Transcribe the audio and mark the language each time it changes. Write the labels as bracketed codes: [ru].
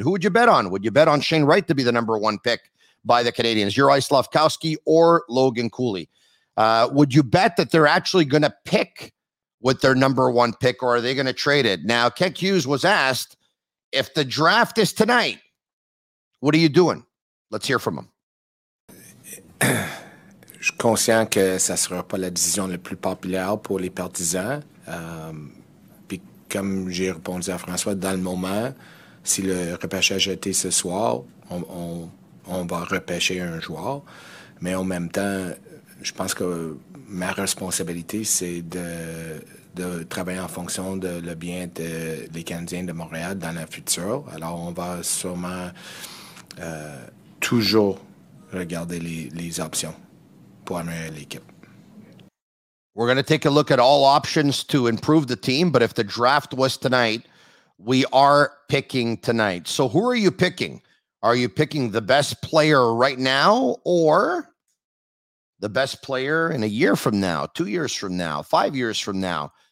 [en] Who would you bet on? Would you bet on Shane Wright to be the number one pick by the Canadians, Juraj Slafkovský or Logan Cooley? Would you bet that they're actually going to pick with their number one pick, or are they going to trade it? Now, Kent Hughes was asked, if the draft is tonight, what are you doing? Let's hear from him. [fr] Je suis conscient que ça sera pas la décision la plus populaire pour les partisans. Puis comme j'ai répondu à François, dans le moment, si le repêchage a été ce soir, on va repêcher un joueur. Mais en même temps, je pense que ma responsabilité, c'est de travailler en fonction de le bien des Canadiens de Montréal dans le futur. Alors on va sûrement toujours regarder les options. [en] We're going to take a look at all options to improve the team, but if the draft was tonight, we are picking tonight. So who are you picking? Are you picking the best player right now or the best player in a year from now, 2 years from now, 5 years from now?